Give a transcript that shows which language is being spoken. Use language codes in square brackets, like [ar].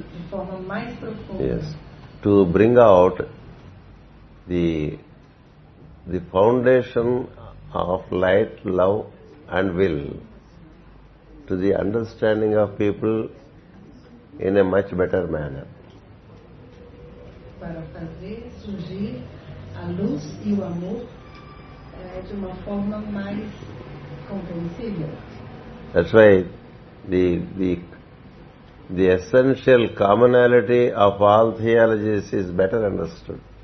[en] Yes, to bring out the foundation of light, love and will to the understanding of people in a much better manner. [pt] Para fazer surgir a luz e o amor de uma forma mais compreensível. [en] That's why the essential commonality of all theologies is better understood.